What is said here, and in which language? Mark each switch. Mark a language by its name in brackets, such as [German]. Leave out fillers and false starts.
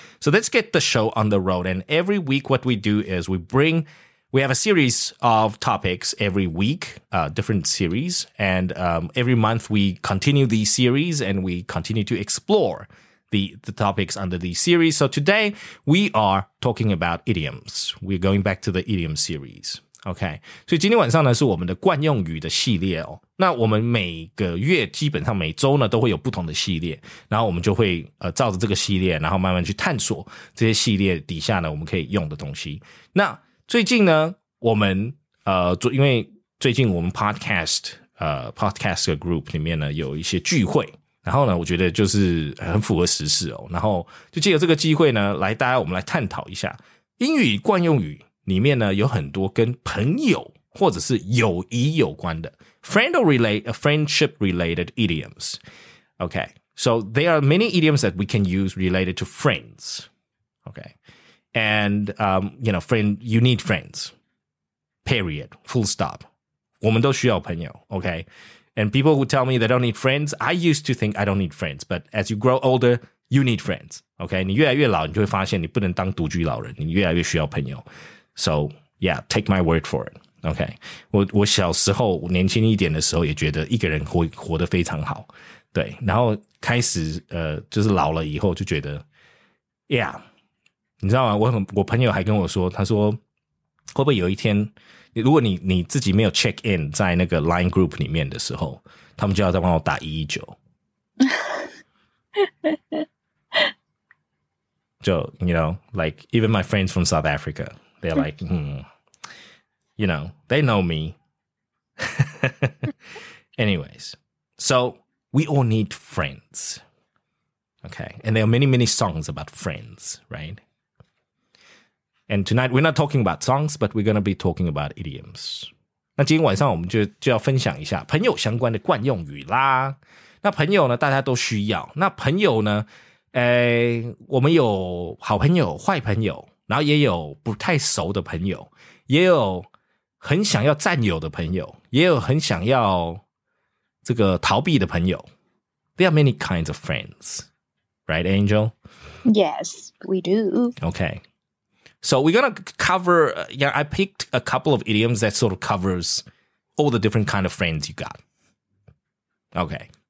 [English] So let's get the show on the road. And every week what we do is we have a series of topics every week, different series. And every month we continue these series and we continue to explore the topics under these series. So today we are talking about idioms. We're going back to the idiom series. [Chinese] OK, 所以今天晚上呢是我们的惯用语的系列哦。那我们每个月基本上每周呢都会有不同的系列，然后我们就会照着这个系列，然后慢慢去探索这些系列底下呢我们可以用的东西。那最近呢我们因为最近我们 podcast group 里面呢有一些聚会，然后呢我觉得就是很符合时事哦，然后就借由这个机会呢来大家我们来探讨一下英语惯用语里面呢有很多跟朋友或者是友谊有关的 [English] friendship related idioms. Okay, so there are many idioms that we can use related to friends. Okay, and friend, you need friends. Period. Full stop. [Chinese] 我们都需要朋友 [English] Okay, and people who tell me they don't need friends, I used to think I don't need friends, but as you grow older, you need friends. [Chinese] Okay, 你越来越老，你就会发现你不能当独居老人，你越来越需要朋友。 [English] So, yeah, take my word for it. Okay. [Chinese] 我小时候年轻一点的时候也觉得一个人活得非常好。对。然后开始就是老了以后就觉得 yeah. 你知道吗我朋友还跟我说，他说会不会有一天如果你自己没有 check in 在那个 line group 里面的时候，他们就要再帮我打119。 [English] you know, like even my friends from South Africa, they're like, you know, they know me. Anyways, so we all need friends. Okay. And there are many, many songs about friends, right? And tonight we're not talking about songs, but we're going to be talking about idioms. [Chinese] 那今天晚上我们 就要分享一下朋友相关的惯用语啦。那朋友呢，大家都需要。那朋友呢，我们有好朋友、坏朋友，然后也有不太熟的朋友，也有很想要占有的朋友，也有很想要这个逃避的朋友。 [English] There are many kinds of friends, right, Angel? Yes, we do. Okay. So we're going to cover, yeah, I picked a couple of idioms that sort of covers all the different kind of friends you got. Okay.